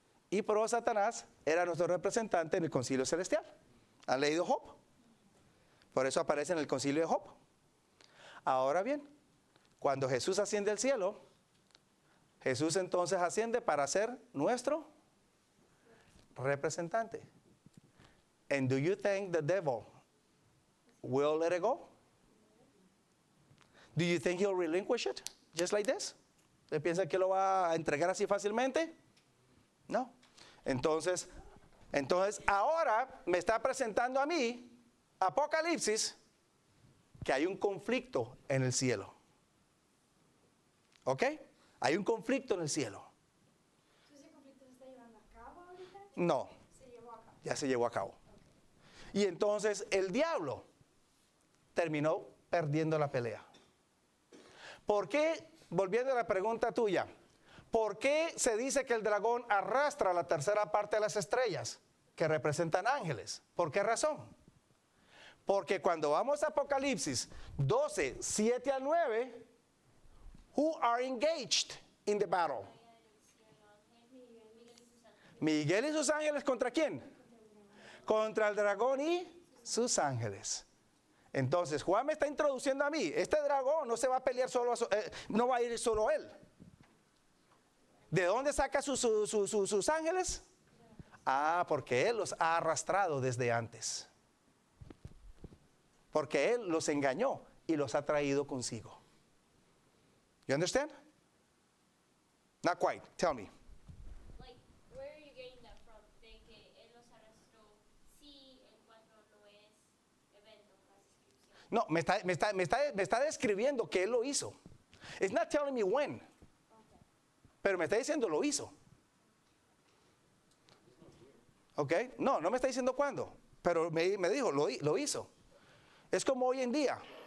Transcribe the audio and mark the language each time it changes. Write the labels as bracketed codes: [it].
[es] Y por eso Satanás era nuestro representante en el concilio celestial. ¿Han leído Job? Por eso aparece en el concilio de Job. Ahora bien, cuando Jesús asciende al cielo, Jesús entonces asciende para ser nuestro representante. [en] And do you think the devil will let it go? Do you think he'll relinquish it just like this? [es] ¿Usted piensa que lo va a entregar así fácilmente? No. Entonces ahora me está presentando a mí, Apocalipsis, que hay un conflicto en el cielo. ¿Ok? Hay un conflicto en el cielo. ¿Ese conflicto se está llevando a cabo ahorita? No. Ya se llevó a cabo. Okay. Y entonces el diablo terminó perdiendo la pelea. ¿Por qué? Volviendo a la pregunta tuya. ¿Por qué se dice que el dragón arrastra la tercera parte de las estrellas que representan ángeles? ¿Por qué razón? Porque cuando vamos a Apocalipsis 12, 7 al 9... [en] Who are engaged in the battle? [es] Miguel y sus ángeles, ¿contra quién? Contra el dragón y sus ángeles. Entonces, Juan me está introduciendo a mí. Este dragón no se va a pelear solo, no va a ir solo él. ¿De dónde saca sus ángeles? Ah, porque él los ha arrastrado desde antes. Porque él los engañó y los ha traído consigo. [en] You understand? Not quite. Tell me. Like, where are you getting that from? [es] De que él los arrastró. Sí, en cuanto no es evento, la descripción. No, me está describiendo que él lo hizo. [en] It's not telling me when. [es] Okay. Pero me está diciendo lo hizo. Okay? No, no me está diciendo cuándo, pero me dijo lo hizo. Es como hoy en día.